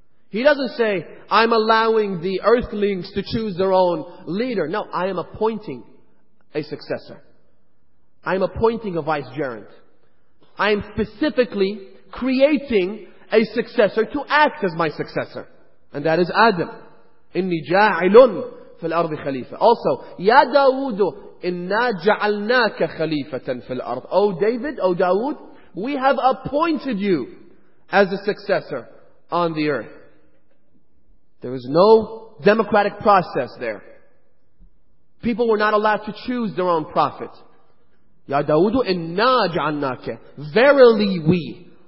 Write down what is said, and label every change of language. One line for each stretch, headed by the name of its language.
English: He doesn't say, I'm allowing the earthlings to choose their own leader. No, I am appointing a successor. I'm appointing a vicegerent. I am specifically creating a successor to act as my successor. And that is Adam.
Arabic: إِنِّي جَاعِلٌ فِي الْأَرْضِ خَلِيفَةً.
English: Also,
Arabic: يَا دَاوُدُ إِنَّا جَعَلْنَاكَ خَلِيفَةً فِي الْأَرْضِ.
English: O David, O Dawood, we have appointed you as a successor on the earth. There was no democratic process there. People were not allowed to choose their own prophet.
Arabic: Ya Dawudu inna ja'annaka.
English: Verily we.